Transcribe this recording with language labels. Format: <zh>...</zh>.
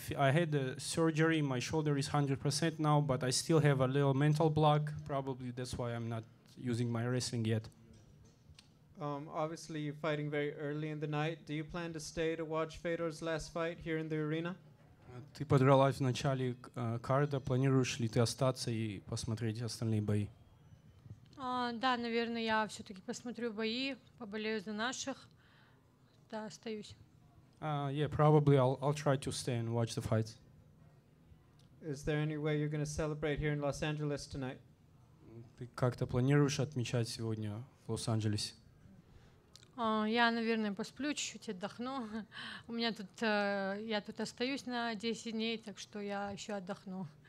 <en>I had a surgery, my shoulder is 100% now, but I still have a little mental block. Probably that's why I'm not using my wrestling yet. Obviously, you're fighting very early in the night. Do you plan to stay to watch Fedor's last fight here in the arena?</en> <ru>Ты подралась в начале карда. Планируешь ли ты остаться и посмотреть остальные бои? Да, наверное, я все-таки посмотрю бои, поболею за наших. Да, остаюсь.</ru> <en>Yeah, probably I'll try to stay and watch the fights. Is there any way you're going to celebrate here in Los Angeles tonight?</en> <ru>Ты как-то планируешь отмечать сегодня в Лос-Анджелесе? Я, наверное, посплю чуть-чуть, отдохну. У меня тут, я тут остаюсь на 10 дней, так что я еще отдохну.</ru>